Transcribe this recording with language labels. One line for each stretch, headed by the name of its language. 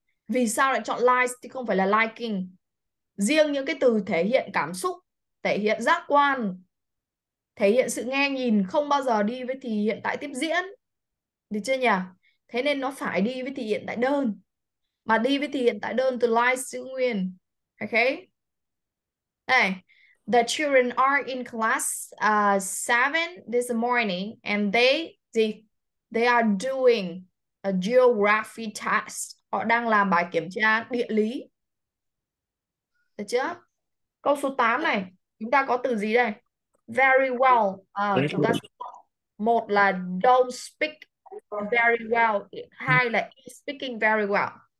Vietnamese: Vì sao lại chọn lies thì không phải là liking. Riêng những cái từ thể hiện cảm xúc, thể hiện giác quan, thể hiện sự nghe nhìn không bao giờ đi với thì hiện tại tiếp diễn. Được chưa nhỉ? Thế nên nó phải đi với thì hiện tại đơn. Mà đi với thì hiện tại đơn từ lies giữ nguyên. Ok.
English: Hey, the children are in class 7 this morning and they are doing Geography test.
Vietnamese: Họ đang làm bài kiểm tra địa lý. Được chưa? Câu số 8 này, chúng ta có từ gì đây?
English: Very well.
Vietnamese: À, chúng ta một là
English: don't speak very well,
Vietnamese: hai là
English: speaking very well.